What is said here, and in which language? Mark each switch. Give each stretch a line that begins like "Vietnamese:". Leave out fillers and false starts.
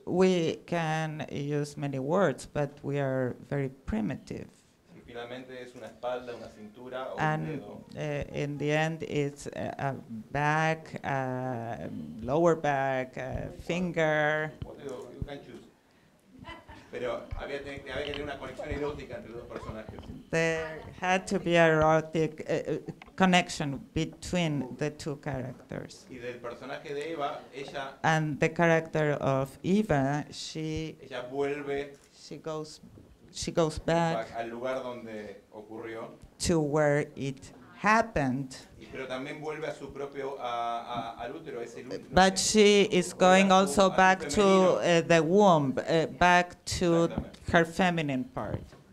English: We can use many words, but we are very primitive.
Spanish: Y finalmente es una espalda, una cintura, o
English: and
Spanish: un dedo.
English: In the end, it's a back, a lower back, a finger. You can choose.
Spanish: Pero había que tener una conexión erótica entre dos personajes.
English: There had to be an erotic connection between the two characters.
Spanish: Y del personaje de Eva, ella,
English: and the character of Eva,
Spanish: ella vuelve,
English: she goes back
Spanish: al lugar donde ocurrió,
English: to where it happened.
Spanish: Y pero también vuelve a su propio, al útero, ese útero.
English: But she is going also back to the womb, back to her feminine part.